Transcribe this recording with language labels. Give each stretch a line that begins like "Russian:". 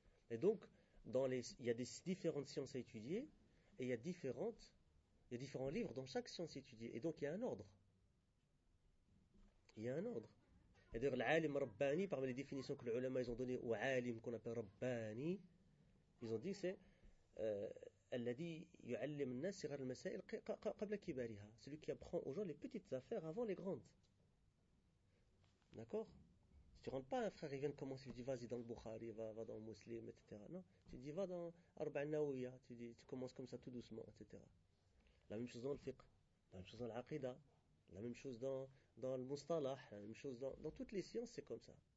French: Et donc, il y a des différentes sciences à étudier et il y a différentes. Il y a différents livres dans chaque science étudiée. Et donc, il y a un ordre. Il y a un ordre. Et d'ailleurs, l'alim rabbani, parmi les définitions que les ulama ont données, ou alim qu'on appelle rabbani, ils ont dit, c'est
Arabic: الذي يعلم الناس صغار المسائل قبل كبارها.
French: Celui qui apprend aux gens les petites affaires avant les grandes. D'accord? Si tu ne rentres pas un frère, il vient de commencer, tu dis vas-y dans le Bukhari, va dans le Muslim, etc. Non, tu dis va dans Arba al-Nawiyya, tu commences comme ça tout doucement, etc. La même chose dans le fiqh, la même chose dans l'aqida, la même chose dans le mustalah, la même chose dans toutes les sciences, c'est comme ça.